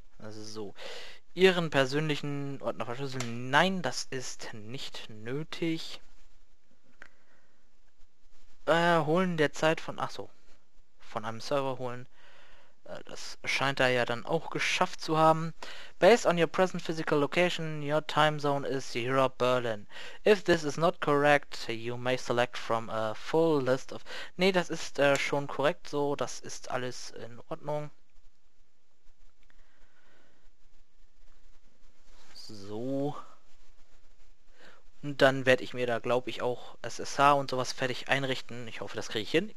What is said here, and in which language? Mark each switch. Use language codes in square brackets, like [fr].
[de] So. Ihren persönlichen Ordner verschlüsseln. Nein, das ist nicht nötig. Holen derzeit von... Ach so. Von einem Server holen. Das scheint er ja dann auch geschafft zu haben. [en] Based on your present physical location, your time zone is Europe Berlin. If this is not correct, you may select from a full list of... [de] Nee, das ist schon korrekt so. Das ist alles in Ordnung. So. Und dann werde ich mir da, glaube ich, auch SSH und sowas fertig einrichten. Ich hoffe, das kriege ich hin.